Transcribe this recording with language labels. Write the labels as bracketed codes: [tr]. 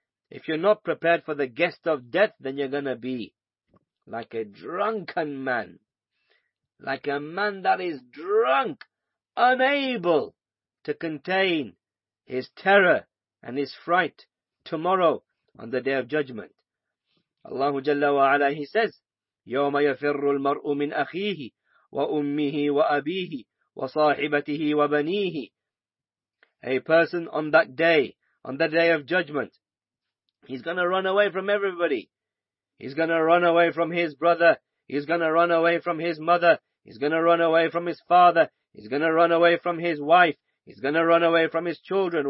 [en] If you're not prepared for the guest of death, then you're going to be like a drunken man, like a man that is drunk, unable to contain his terror and his fright tomorrow on the Day of Judgment. [ar] Allah Jalla wa Ala, [en] he says, [ar] يَوْمَ يَفِرُّ الْمَرْءُ مِنْ أَخِيهِ وَأُمِّهِ وَأَبِيهِ وَصَاحِبَتِهِ وَبَنِيهِ. [en] A person on that day, on the Day of Judgment, he's going to run away from everybody. He's going to run away from his brother. He's going to run away from his mother. He's going to run away from his father. He's going to run away from his wife. He's going to run away from his children.